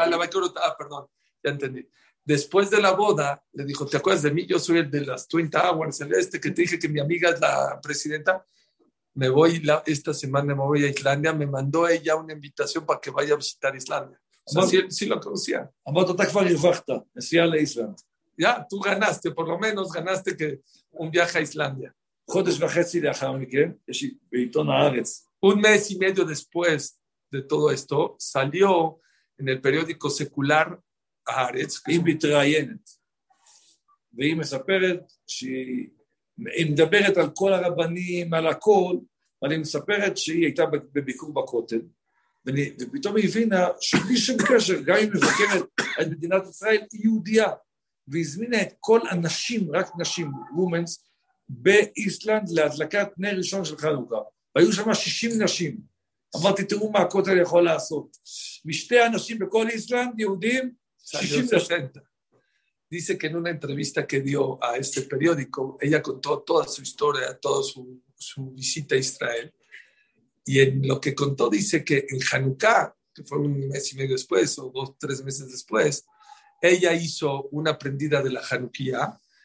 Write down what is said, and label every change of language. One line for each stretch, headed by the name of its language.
Hebrew: אה, לבקר אותה, פרדון,
Spanish: ya entendí. Después de la boda, le dijo, ¿te acuerdas de mí? Yo soy el de las Twin Towers, el este, que te dije que mi amiga es la presidenta. Me voy, esta semana me voy a Islandia, me mandó ella una invitación para que vaya a visitar Islandia. O sea, sí lo conocía.
Hebrew: אמרת, אתה כבר הרווחת, נסיע לאיסלנד.
Spanish: Ya, tú ganaste, por lo menos ganaste que un viaje a Islandia.
Hebrew: חודש וחצי לאחר מכן, יש לי בעיתון הארץ.
Spanish: Un mes y medio después de todo esto, salió en el periódico secular הארץ.
Hebrew: היא מתראיינת, והיא מספרת שהיא מדברת על כל הרבנים, על הכל, אבל היא מספרת שהיא הייתה בביקור בכותל, ופתאום היא הבינה שבלי שום קשר, גם היא מבקרת את מדינת ישראל, היא יהודיה, והזמינה את כל הנשים, רק נשים, וומנס, באיסלנד להדלקת נר ראשון של חנוכה. והיו שם 60 נשים. אמרתי, תראו מה הכותל יכול לעשות. משתי אנשים בכל איסלנד, יהודים, 60 נשים.
Spanish: Dice que en una entrevista que dio a este periódico, ella contó toda su historia, toda su visita a Israel. Y en lo que contó, dice que en חנוכה, que fue un mes y medio después, o dos, tres meses después, ella hizo una prendida de la חנוכיה,